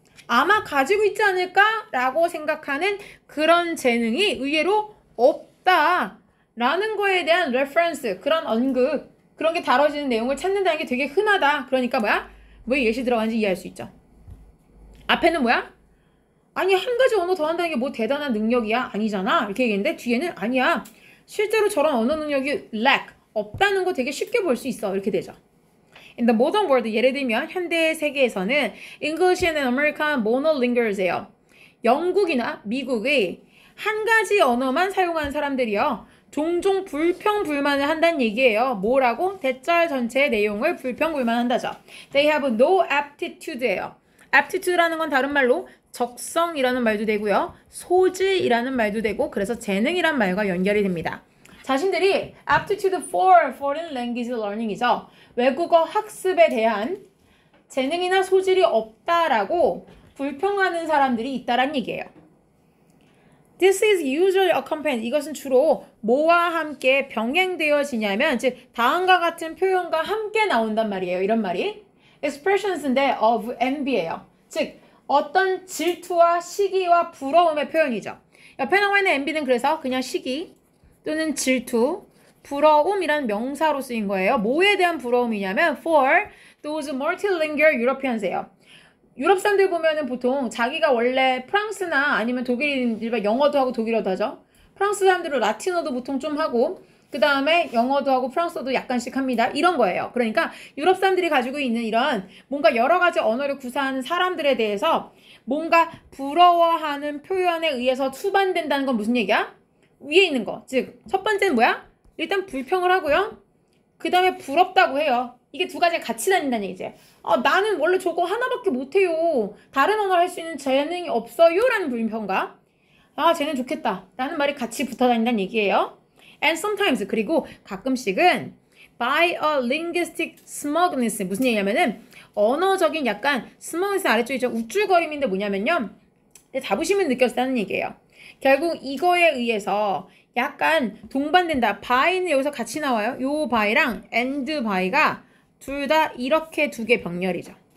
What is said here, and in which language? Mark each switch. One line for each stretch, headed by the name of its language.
Korean: 아마 가지고 있지 않을까라고 생각하는 그런 재능이 의외로 없다라는 거에 대한 reference, 그런 언급, 그런 게 다뤄지는 내용을 찾는다는 게 되게 흔하다. 그러니까 뭐야? 왜 예시 들어가는지 이해할 수 있죠. 앞에는 뭐야? 아니 한 가지 언어 더 한다는 게 뭐 대단한 능력이야? 아니잖아. 이렇게 얘기했는데 뒤에는 아니야. 실제로 저런 언어 능력이 lack. 없다는 거 되게 쉽게 볼 수 있어. 이렇게 되죠.
English: In the modern world,
Korean: 예를 들면 현대 세계에서는
English: English and American monolinguals예요.
Korean: 영국이나 미국의 한 가지 언어만 사용하는 사람들이요. 종종 불평불만을 한다는 얘기예요. 뭐라고? 대절 전체의 내용을 불평불만한다죠.
English: They have no aptitude예요.
Korean: aptitude라는 건 다른 말로 적성이라는 말도 되고요. 소질이라는 말도 되고 그래서 재능이란 말과 연결이 됩니다. 자신들이
English: aptitude for foreign language learning이죠.
Korean: 외국어 학습에 대한 재능이나 소질이 없다라고 불평하는 사람들이 있다란 얘기예요.
English: This is usually accompanied.
Korean: 이것은 주로 뭐와 함께 병행되어지냐면 즉 다음과 같은 표현과 함께 나온단 말이에요. 이런 말이.
English: Expressions인데 of envy예요.
Korean: 즉 어떤 질투와 시기와 부러움의 표현이죠. 옆에 나와 있는 envy는 그래서 그냥 시기. 또는 질투, 부러움이라는 명사로 쓰인 거예요. 뭐에 대한 부러움이냐면
English: for those multilingual Europeans예요.
Korean: 유럽 사람들 보면은 보통 자기가 원래 프랑스나 아니면 독일인 일반 영어도 하고 독일어도 하죠. 프랑스 사람들은 라틴어도 보통 좀 하고 그 다음에 영어도 하고 프랑스어도 약간씩 합니다. 이런 거예요. 그러니까 유럽 사람들이 가지고 있는 이런 뭔가 여러 가지 언어를 구사하는 사람들에 대해서 뭔가 부러워하는 표현에 의해서 수반된다는 건 무슨 얘기야? 위에 있는 거. 즉, 첫 번째는 뭐야? 일단 불평을 하고요. 그 다음에 부럽다고 해요. 이게 두 가지가 같이 다닌다는 얘기죠. 나는 원래 저거 하나밖에 못해요. 다른 언어를 할 수 있는 재능이 없어요. 라는 불평과 쟤는 좋겠다. 라는 말이 같이 붙어 다닌다는 얘기예요.
English: And sometimes,
Korean: 그리고 가끔씩은
English: by a linguistic smugness.
Korean: 무슨 얘기냐면은 언어적인 약간 smugness 아래쪽이죠. 우쭐거림인데 뭐냐면요. 자부심을 느꼈다는 얘기예요. 결국 이거에 의해서 약간 동반된다. by는 여기서 같이 나와요. 요 by랑 and by가 둘다 이렇게 두개 병렬이죠.